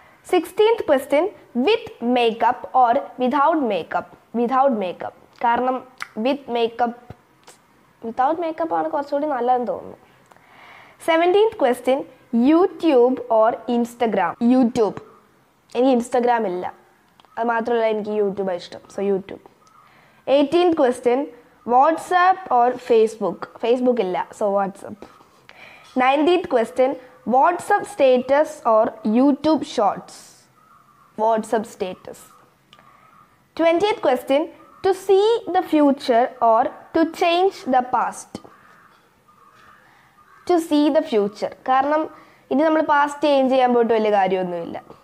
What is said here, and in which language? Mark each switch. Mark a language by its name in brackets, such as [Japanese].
[English] 16th question, with makeup or without makeup? Without makeup. [Malayalam] കാരണം with makeup, without മേക്കപ്പാണ് കുറച്ചുകൂടി നല്ലതെന്ന് തോന്നുന്നു. [English] 17th question, YouTube or Instagram? [Malayalam] YouTube. എനിക്ക് Instagram ഇല്ല, അത് മാത്രമല്ല എനിക്ക് യൂട്യൂബാണ് ഇഷ്ടം, so YouTube. [English] 18th question, WhatsApp or Facebook? Facebook [Malayalam] illa, [English] so WhatsApp. 19th question, WhatsApp status or YouTube shorts? WhatsApp status. 20th question, to see the future or to change the past? To see the future. [Malayalam] Karanam ഇനി നമ്മൾ past change ചെയ്യാൻ പോയിട്ട് വലിയ കാര്യമൊന്നുമില്ല.